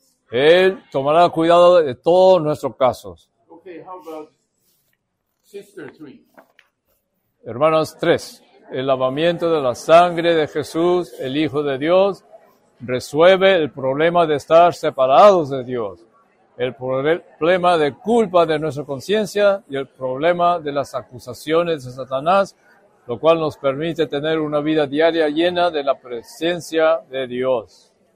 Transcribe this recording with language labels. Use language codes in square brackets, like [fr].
[es] Él tomará cuidado de todos nuestros casos. [en] Okay, how about sister three? [es] Hermanos 3. El lavamiento de la sangre de Jesús, el Hijo de Dios, resuelve el problema de estar separados de Dios, el problema de culpa de nuestra conciencia y el problema de las acusaciones de Satanás, lo cual nos permite tener una vida diaria llena de la presencia de Dios.